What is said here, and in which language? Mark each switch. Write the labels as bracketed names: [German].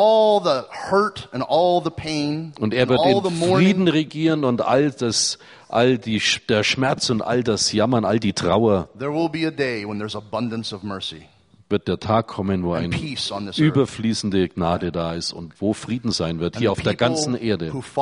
[English] and all the hurt and all the pain, [German] und er wird in Frieden regieren und all das, all die, der Schmerz und all das Jammern, all die Trauer. [English] There will be a day when there's abundance of mercy. [German] Wird der Tag kommen, wo eine überfließende Gnade da ist und wo Frieden sein wird, hier auf der ganzen Erde.